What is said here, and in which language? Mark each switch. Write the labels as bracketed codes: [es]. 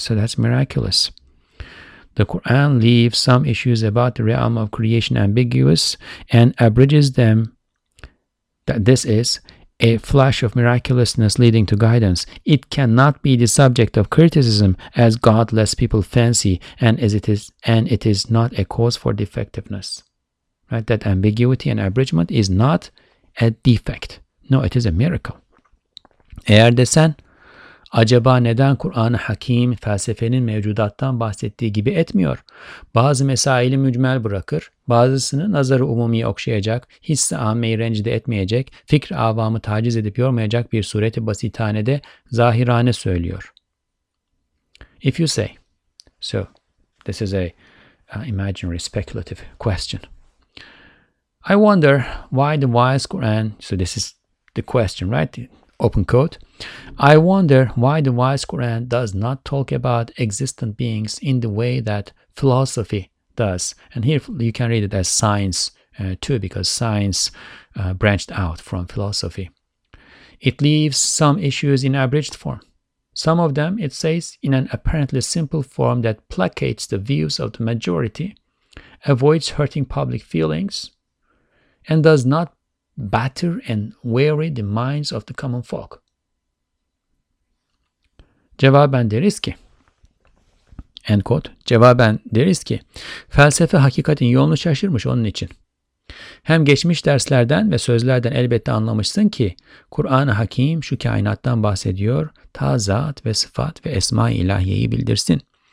[en] So that's miraculous. The Quran leaves some issues about the realm of creation ambiguous and abridges them that this is a flash of miraculousness leading to guidance. It cannot be the subject of criticism as godless people fancy, and it is not a cause for defectiveness. Right? That ambiguity and abridgment is not a defect. No, it is a miracle. [tr] Eğer desen, acaba neden Kur'an-ı Hakim felsefenin mevcudattan bahsettiği gibi etmiyor? Bazı mesaili mücmel bırakır, bazısını nazarı umumiye okşayacak, hisse ameyi rencide etmeyecek, fikri avamı taciz edip yormayacak bir sureti basitanede zahirane söylüyor. [en] If you say, so this is a imaginary speculative question. I wonder why the wise Quran, so this is the question, right? Open quote. I wonder why the wise Quran does not talk about existent beings in the way that philosophy does. And here you can read it as science too, because science branched out from philosophy. It leaves some issues in abridged form. Some of them, it says, in an apparently simple form that placates the views of the majority, avoids hurting public feelings, and does not batter and weary the minds of the common folk. [tr] Cevaben deriz ki, [en] end quote, [tr] cevaben deriz ki, felsefe hakikatin yolunu şaşırmış onun için. Hem geçmiş derslerden ve sözlerden elbette anlamışsın ki, Kur'an-ı Hakim şu kainattan bahsediyor, ta zat ve sıfat ve esma-i ilahiyeyi bildirsin.